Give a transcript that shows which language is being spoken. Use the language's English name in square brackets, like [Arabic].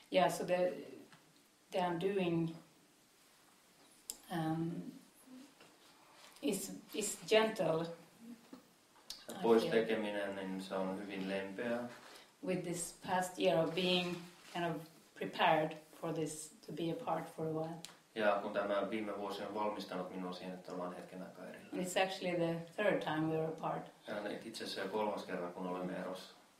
[English] So the undoing is gentle. [Finnish] Pois tekeminen, niin se on hyvin lempeä. [English] With this past year of being kind of prepared for this to be apart for a while. [Finnish] Ja kun tämä viime vuosi on valmistanut minua siihen, että ollaan hetken aikaa erillään. [English] It's actually the third time we were apart. [Finnish] Ja itse asiassa kolmas kerran, kun olemme erossa.